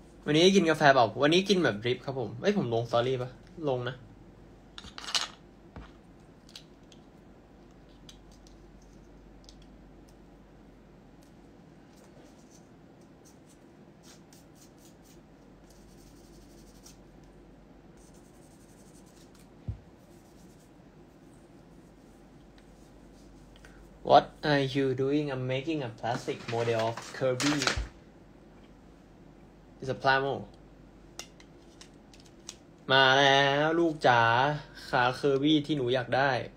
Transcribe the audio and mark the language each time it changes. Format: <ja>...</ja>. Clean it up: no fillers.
<th>วันนี้กินกาแฟเปล่าวันนี้กินแบบดริปครับผมไอ้ผมลงสตอรี่ปะลงนะ</th> <en>What are you doing? I'm making a plastic model of Kirby. It's a plamo</en> <th>มาแล้วลูกจ๋าขาเคอร์บี้ที่หนูอยากได้</th>